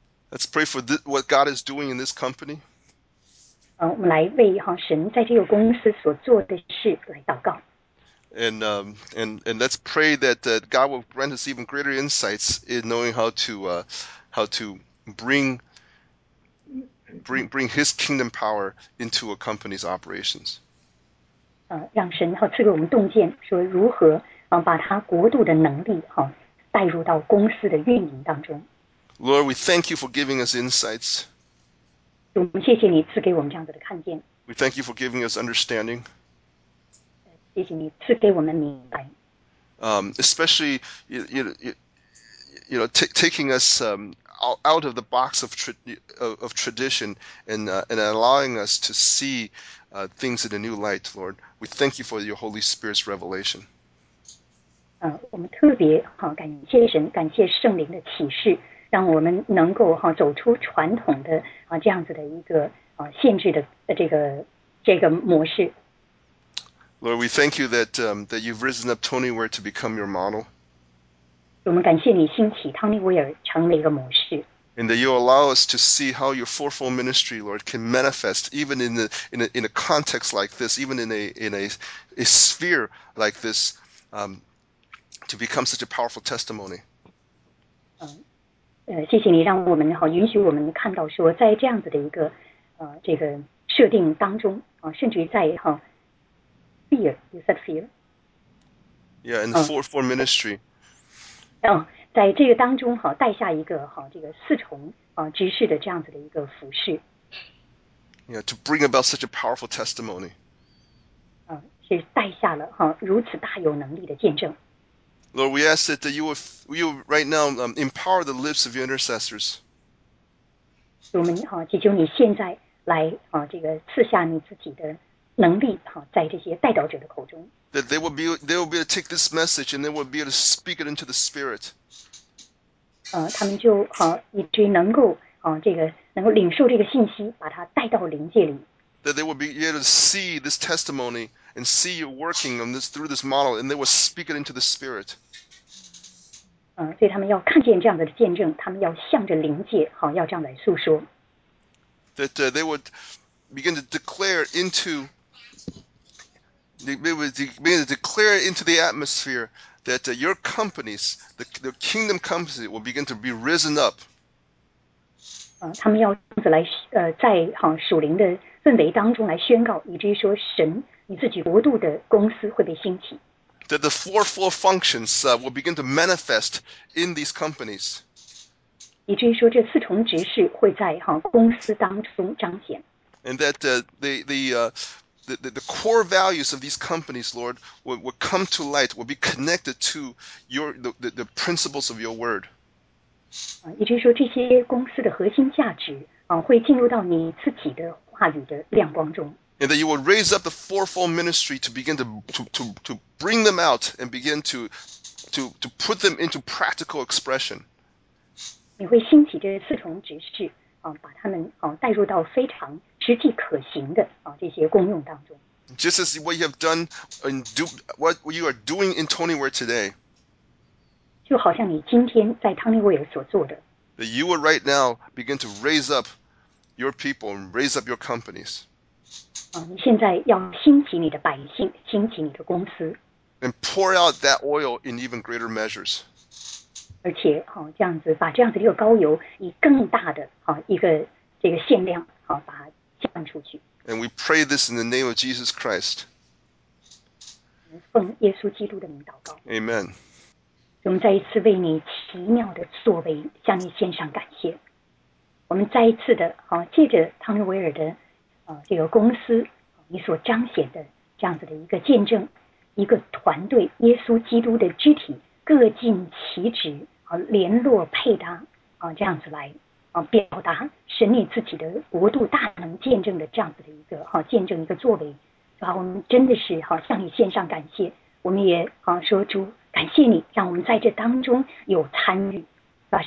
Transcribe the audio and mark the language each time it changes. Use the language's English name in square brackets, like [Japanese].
[English] Let's pray for what God is doing in this company. [Chinese] 我们来为神在这个公司所做的事来祷告。 [English] And let's pray that God will grant us even greater insights in knowing how to bring His kingdom power into a company's operations. [Chinese] 让神赐给我们洞见，说如何把他国度的能力带入到公司的运营当中。 [English] Lord, we thank you for giving us insights. [Chinese] 我们谢谢你赐给我们这样子的看见。 [English] We thank you for giving us understanding. [Chinese] 谢谢你赐给我们明白。 [English] Especially taking us out of the box of tradition and allowing us to see things in a new light, Lord, we thank you for your Holy Spirit's revelation. [Chinese] 我们特别感谢神，感谢圣灵的启示，让我们能够走出传统的这样子的一个限制的这个模式。 [English] Lord, we thank you that you've risen up Tony Ware to become your model. [Chinese] 我们感谢你兴起汤尼威尔成为一个模式。 [English] And that you allow us to see how your fourfold ministry, Lord, can manifest even in a context like this, even in a sphere like this, to become such a powerful testimony. [Chinese] 谢谢你让我们允许我们看到说在这样子的一个这个设定当中甚至于在 [English] Fear, you said fear. Yeah, in the four ministry. [Chinese] 在这个当中带下一个这个四重执事的这样子的一个服饰。 [English] Yeah, to bring about such a powerful testimony. [Chinese] 是带下了如此大有能力的见证。 [English] Lord, we ask that you will right now empower the lips of your intercessors. [Chinese] 我们祈求你现在来这个赐下你自己的能力在这些代祷者的口中。 [English] That they will be able to take this message and they will be able to speak it into the spirit. [Chinese] 他们就以至于能够能够领受这个信息，把它带到灵界里。 [English] That they will be able to see this testimony and see you working on this through this model, and they will speak it into the spirit. [Chinese] 所以他们要看见这样的见证，他们要向着灵界要这样来诉说。 [English] That they would begin to declare into. They begin to declare into the atmosphere that your companies, the kingdom companies, will begin to be risen up. [Chinese] 他们要这样子来在属灵的氛围当中来宣告，以至于说神你自己国度的公司会被兴起。 [English] That the fourfold functions will begin to manifest in these companies. [Chinese] 以至于说这四重职事会在公司当中彰显。 [English] And that the core values of these companies, Lord, will come to light, will be connected to your, the principles of your word. [Chinese] 也就是说这些公司的核心价值会进入到你自己的话语的亮光中。 [English] And that you will raise up the fourfold ministry to begin to bring them out and begin to put them into practical expression. [Chinese] 你会兴起这四重职事把他们带入到非常实际可行的这些功用当中。 [English] Just as what you have done and do what you are doing in Tony Ware today. [Chinese] 就好像你今天在 Tony Ware 所做的。 [English] That you will right now begin to raise up your people and raise up your companies. [Chinese] 你现在要兴起你的百姓，兴起你的公司。 [English] And pour out that oil in even greater measures. [Chinese] 而且这样子把这样子的一个膏油以更大的一个这个限量把它降出去。 [English] And we pray this in the name of Jesus Christ. [Chinese] 奉耶稣基督的名祷告。 [English] Amen. [Chinese] 我们再一次为你奇妙的作为向你献上感谢。我们再一次的借着汤尼维尔的这个公司你所彰显的这样子的一个见证，一个团队，耶稣基督的肢体各尽其职，联络配搭，这样子来表达神你自己的国度大能见证的这样子的一个见证一个作为，是吧？我们真的是向你献上感谢，我们也说主感谢你，让我们在这当中有参与，是吧？